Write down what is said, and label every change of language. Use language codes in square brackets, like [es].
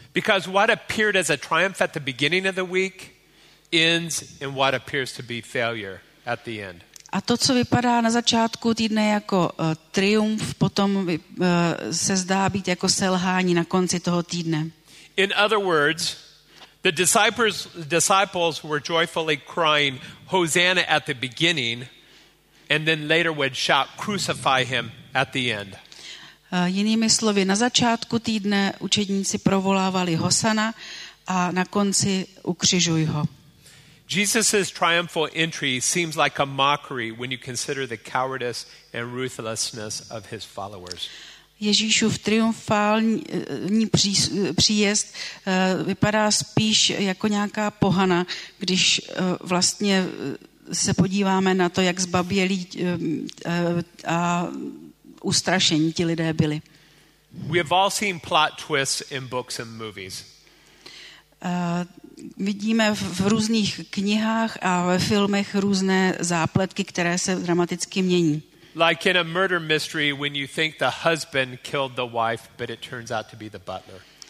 [en] Because what appeared as a triumph at the beginning of the week ends in what appears to be failure at the end. [cs] A to, co vypadá na začátku týdne jako triumf, potom se zdá být jako selhání na konci toho týdne. [en] In other words, the disciples were joyfully crying Hosanna at the beginning and then later would shout crucify him at the end. [cs] Jinými slovy, na začátku týdne učedníci provolávali Hosana a na konci ukřižuj ho. [en] Jesus' triumphal entry seems like a mockery when you consider the cowardice and ruthlessness of his followers. [cs] Ježíšův triumfální příjezd vypadá spíš jako nějaká pohana, když vlastně se podíváme na to, jak zbabělí a ustrašení ti lidé byli. [en] We have all seen plot twists in books and movies. [cs] Vidíme v různých knihách a ve filmech různé zápletky, které se dramaticky mění. [en] Like in a murder mystery when you think the husband killed the wife, but it turns out to be the butler.